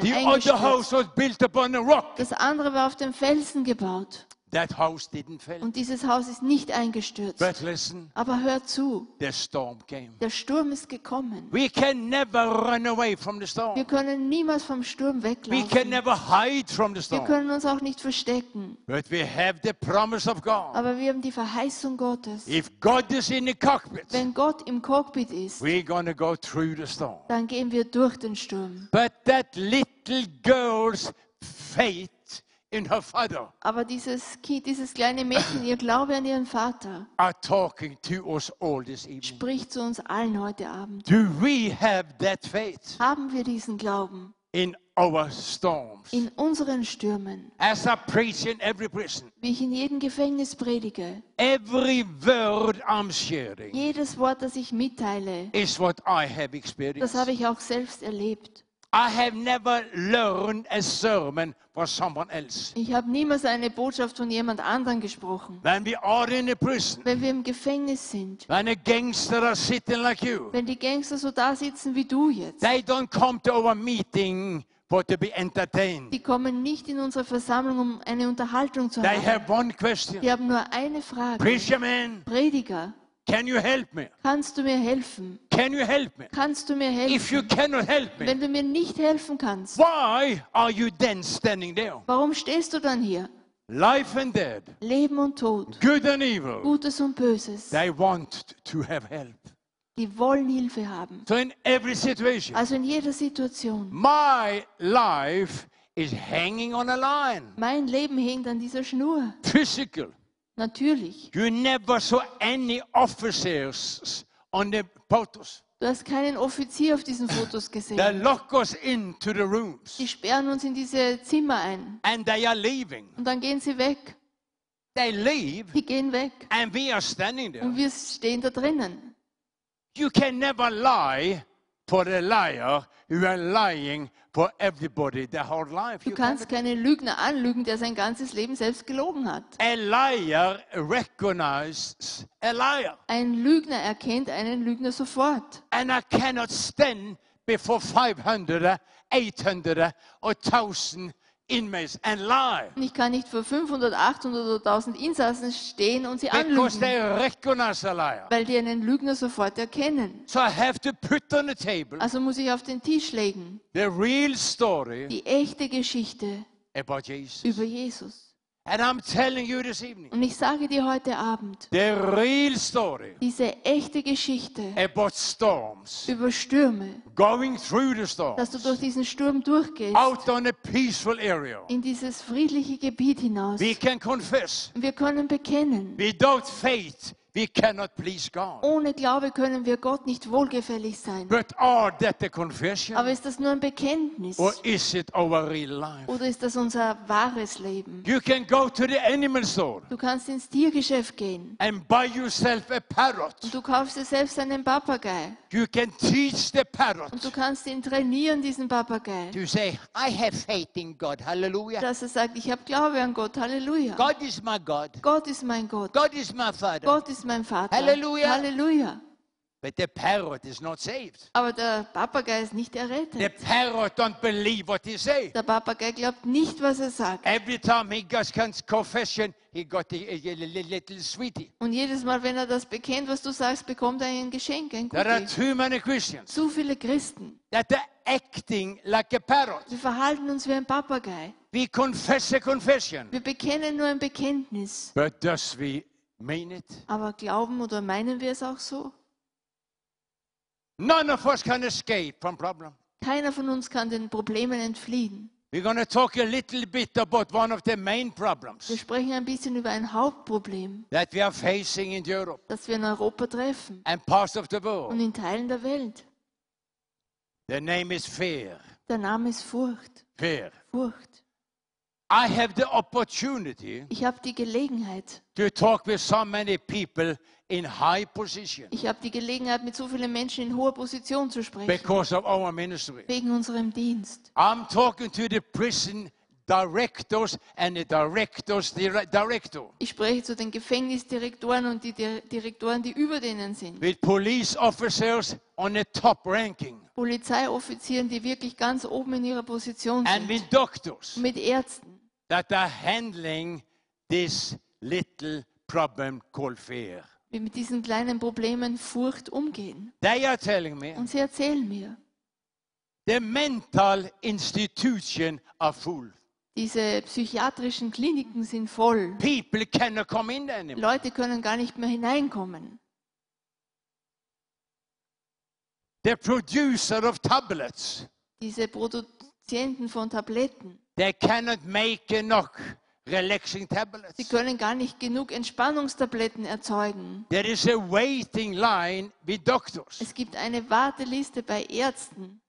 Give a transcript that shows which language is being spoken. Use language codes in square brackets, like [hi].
[en] The other house was built upon a rock. [de] Das andere war auf dem Felsen gebaut. [en] That house didn't fall. [de] Und dieses Haus ist nicht eingestürzt. [en] But listen, [de] aber hör zu. [en] The storm came. [de] Der Sturm ist gekommen. [en] We can never run away from the storm. [de] Wir können niemals vom Sturm weglaufen. [en] We can never hide from the storm. [de] Wir können uns auch nicht verstecken. [en] But we have the promise of God. [de] Aber wir haben die Verheißung Gottes. [en] If God is in the cockpit, [de] wenn Gott im Cockpit ist, [en] we're gonna go through the storm. [de] Dann gehen wir durch den Sturm. [en] But that little girl's faith in her father. [de] Aber dieses Kind, dieses kleine Mädchen, ihr Glaube an ihren Vater, [en] are talking to us all this evening. [de] Spricht zu uns allen heute Abend. [en] Do we have that faith? [de] Haben wir diesen Glauben? [en] in our storms. [de] In unseren Stürmen. [en] As I preach in every prison. [de] Wie ich in jedem Gefängnis predige. [en] Every word I'm sharing. [de] Jedes Wort, das ich mitteile. [en] Is what I have experienced. [de] Das habe ich auch selbst erlebt. [en] I have never learned a sermon for someone else. [de] Ich habe niemals eine Botschaft von jemand anderem gesprochen. [en] When we are in a prison. [de] Wenn wir im Gefängnis sind. [en] When a gangster are sitting like you. [de] Wenn die Gangster so da sitzen wie du jetzt. [en] They don't come to our meeting for to be entertained. [de] Die kommen nicht in unsere Versammlung, um eine Unterhaltung zu [en] they [de] haben. [en] They have one question. [de] Die haben nur eine Frage. [en] Preacher man. [de] Prediger. [en] Can you help me? [de] Kannst du mir helfen? [en] Can you help me? [de] Kannst du mir helfen? [en] If you cannot help me, [de] wenn du mir nicht helfen kannst, [en] why are you then standing there? [de] Warum stehst du dann hier? [en] Life and dead, [de] Leben und Tod, [en] good and evil, [de] Gutes und Böses, [en] they want to have help. [de] Die wollen Hilfe haben. [en] So in every situation, [de] also in jeder Situation, [en] my life is hanging on a line. [de] Mein Leben hängt an dieser Schnur. [en] Physical. [de] Natürlich. [en] You never saw any officers on the photos. [de] Du hast keinen Offizier auf diesen Fotos gesehen. [en] They lock us into the rooms. [de] Die sperren uns in diese Zimmer ein. [en] And they are leaving. [de] Und dann gehen sie weg. [en] They leave. [de] Die gehen weg. [en] And we are standing there. [de] Und wir stehen da drinnen. [en] You can never lie for the liar. You are lying for everybody their whole life. [de] Du kannst keinen Lügner anlügen, der sein ganzes Leben selbst gelogen hat. [en] A liar recognizes a liar. [de] Ein Lügner erkennt einen Lügner sofort. [en] And I cannot stand before 500, 800 or 1000 inmates and lie. [de] Ich kann nicht vor 500, 800 oder 1000 Insassen stehen und sie anlügen. [en] Because they recognize a liar. [de] Weil die einen Lügner sofort erkennen. [en] So I have to put on the table. [de] Also muss ich auf den Tisch legen. [en] The real story. [de] Die echte Geschichte. [en] About Jesus. [de] Über Jesus. [en] And I'm telling you this evening. [de] Und ich sage dir heute Abend. [en] The real story. [de] Diese echte Geschichte. [en] About storms. [de] Über Stürme. [en] Going through the storms. [de] Dass du durch diesen Sturm durchgehst. [en] Out on a peaceful area. [de] In dieses friedliche Gebiet hinaus. [en] We can confess. [de] Wir können bekennen. [en] Without faith, we cannot please God. [de] Ohne Glaube können wir Gott nicht wohlgefällig sein. [en] But are that the confession? [de] Aber ist das nur ein Bekenntnis? [en] Or is it our real life? [de] Oder ist das unser wahres Leben? [en] You can go to the animal store. [de] Du kannst ins Tiergeschäft gehen. [en] And buy yourself a parrot. [de] Und du kaufst dir selbst einen Papagei. [en] You can teach the parrot. Und du kannst ihn trainieren, diesen Papagei. To say, I have faith in God. Hallelujah. [de] Dass er sagt, ich habe Glaube an Gott. Hallelujah. [en] God is my God. [de] Gott ist mein Gott. [en] God is my Father. [de] Gott ist mein Vater. [en] Halleluja. [de] Halleluja. [en] But the parrot is not saved. [de] Aber der Papagei ist nicht errettet. [en] The parrot don't believe what he say. [de] Der Papagei glaubt nicht, was er sagt. [en] Every time he gets confession, he got a little sweetie. [de] Und jedes Mal, wenn er das bekennt, was du sagst, bekommt er ein Geschenk, ein [en] Cookie. There are too many Christians. [de] Zu viele Christen. [en] That are acting like a parrot. [de] Wir verhalten uns wie ein Papagei. [en] We confess a confession. [de] Wir bekennen nur ein Bekenntnis. [en] But does we mean it? [de] Aber glauben oder meinen wir es auch so? [en] None of us can escape from problem. [de] Keiner von uns kann den Problemen entfliehen. [en] We're going to talk a little bit about one of the main problems. [de] Wir sprechen ein bisschen über ein Hauptproblem. [en] That we are facing in Europe. [de] Das wir in Europa treffen. [en] And parts of the world. [de] Und in Teilen der Welt. [en] The name is fear. [de] Der Name ist Furcht. [en] Fear. [de] Furcht. [en] I have the opportunity. [de] Ich habe die Gelegenheit. [en] To talk with so many people. In high position. [de] Ich habe die Gelegenheit, mit so vielen Menschen in hoher Position zu sprechen. [en] Because of our ministry. [de] Wegen unserem Dienst. [en] I'm talking to the prison directors and the directors director. [de] Ich spreche zu den Gefängnisdirektoren und die Direktoren, die über denen sind. [en] With police officers on the top ranking. [de] Polizeioffizieren, die wirklich ganz oben in ihrer Position [en] and [de] sind. [en] And with doctors. [de] Mit Ärzten. [en] That are handling this little problem called fear. [de] Wie mit diesen kleinen Problemen Furcht umgehen. [en] They are telling me, [de] und sie erzählen mir, [en] the mental institution are full. [de] Diese psychiatrischen Kliniken sind voll. [en] People cannot come in anymore. [de] Leute können gar nicht mehr hineinkommen. [en] The producer of tablets, [de] diese Produzenten von Tabletten, [en] they cannot make enough relaxing tablets. [de] Sie können gar nicht genug Entspannungstabletten erzeugen. [en] There is a waiting line with doctors. [de] Es gibt eine Warteliste bei Ärzten.